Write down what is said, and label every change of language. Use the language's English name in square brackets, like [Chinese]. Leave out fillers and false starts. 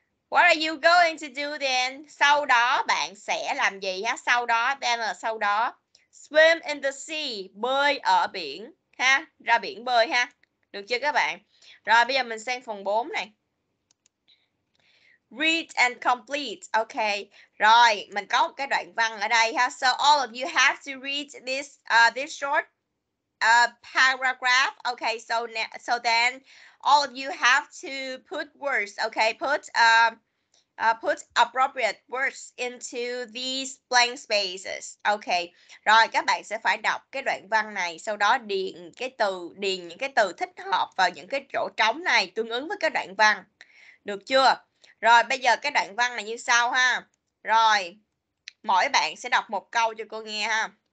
[English] What are you going to do then? [Vietnamese] Sau đó bạn sẽ làm gì ha? Sau đó, then là sau đó. [English] Swim in the sea, [Vietnamese] bơi ở biển ha, ra biển bơi ha. Được chưa các bạn? Rồi bây giờ mình sang phần 4 này. [English] Read and complete. [Vietnamese] Ok. Rồi, mình có một cái đoạn văn ở đây ha. [English] So all of you have to read this this short paragraph. Ok, so then all of you have to put words, ok, put appropriate words into these blank spaces, ok. [Vietnamese] Rồi, các bạn sẽ phải đọc cái đoạn văn này, sau đó điền những cái từ thích hợp vào những cái chỗ trống này tương ứng với cái đoạn văn. Được chưa? Rồi, bây giờ cái đoạn văn là như sau ha. Rồi, mỗi bạn sẽ đọc một câu cho cô nghe ha.